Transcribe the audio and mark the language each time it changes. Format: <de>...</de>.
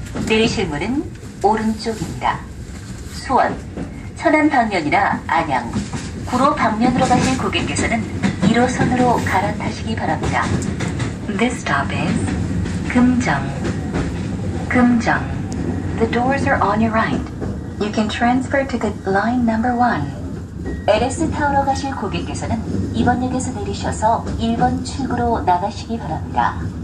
<ko>내리실 문은 오른쪽입니다. 수원, 천안 방면이나 안양, 구로 방면으로 가실 고객께서는 1호선으로 갈아타시기 바랍니다.</ko> <en>This stop is 금정.</en> <ko>금정.</ko> <en>The doors are on your right. You can transfer to the line number 1.</en> <ko>LS타워로 가실 고객께서는 2번 역에서 내리셔서 1번 출구로 나가시기 바랍니다.</ko>